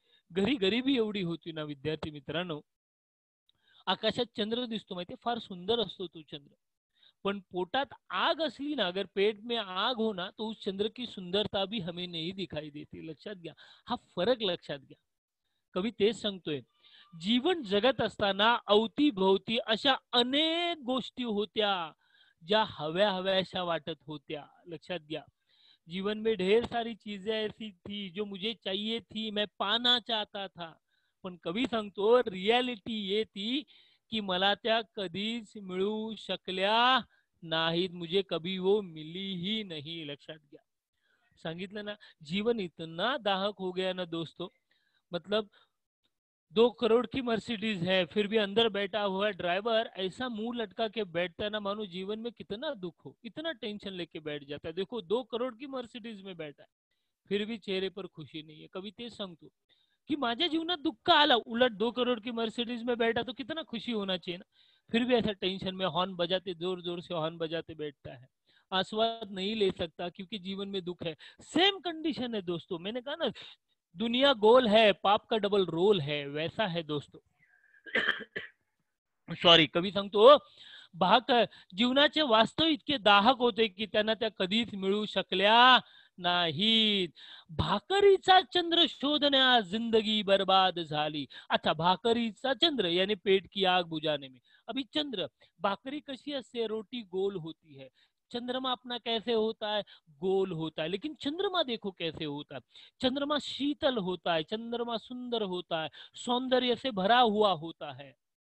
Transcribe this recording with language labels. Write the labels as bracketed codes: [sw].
[mr] घरी गरीबी एवढी होती ना विद्यार्थी मित्रांनो, आकाशात चंद्र दिसतो माहिती, फार सुंदर असतो तो चंद्र, पण पोटात आग असली ना, [hi] अगर पेट में आग हो ना तो उस चंद्र की सुंदरता भी हमें नहीं दिखाई देती, [mr] लक्षात घ्या हा फरक, लक्षात घ्या। कवी तेज सांगतोय, जीवन जगत असताना अवती भोवती अशा अनेक गोष्टी होत्या ज्या हव्या हव्याशा वाटत होत्या, लक्षात घ्या। [hi] जीवन में ढेर सारी चीजें ऐसी थी जो मुझे चाहिए थी, मैं पाना चाहता था, [mr] पण कवी सांगतो [hi] रियलिटी ये थी कि [mr] मला त्या कधीच मिळू शकल्या नाहीत, [hi] मुझे कभी वो मिली ही नहीं, लक्षात घ्या। [mr] सांगितलं ना [hi] जीवन इतना दाहक हो गया ना दोस्तों, मतलब 2 करोड़ की मर्सिडीज है फिर भी अंदर बैठा हुआ ड्राइवर ऐसा मुंह लटका के बैठता है ना, मानो जीवन में कितना दुख हो, इतना टेंशन लेके बैठ जाता है। देखो 2 करोड़ की मर्सिडीज में बैठा है फिर भी चेहरे पर खुशी नहीं है। [mr] कवी तेज सांगतो कि माझ्या जीवनात दुख का आला, [hi] उलट 2 करोड़ की मर्सिडीज में बैठा तो कितना खुशी होना चाहिए ना, फिर भी ऐसा टेंशन में हॉर्न बजाते, जोर जोर से हॉर्न बजाते बैठता है, आस्वाद नहीं ले सकता क्योंकि जीवन में दुख है। सेम कंडीशन है दोस्तों, मैंने कहा ना दुनिया गोल है, पाप का डबल रोल है, वैसा है दोस्तों। [mr] सॉरी कवी संग तो भाग जीवनाचे वास्तव इतके दाहक होते कि त्यांना त्या कधीच मिळू शकल्या नाही, भाकरीचा चंद्र शोधण्यास जिंदगी बर्बाद झाली। [hi] अच्छा भाकरीचा चंद्र यानी पेट की आग बुझाने में, अभी [mr] चंद्र भाकरी कशी असते, [hi] रोटी गोल होती है, चंद्रमा अपना कैसे होता है, गोल होता है, लेकिन चंद्रमा देखो कैसे होता है, चंद्रमा शीतल होता है, चंद्रमा सुंदर होता है, सौंदर्य से भरा हुआ होता है।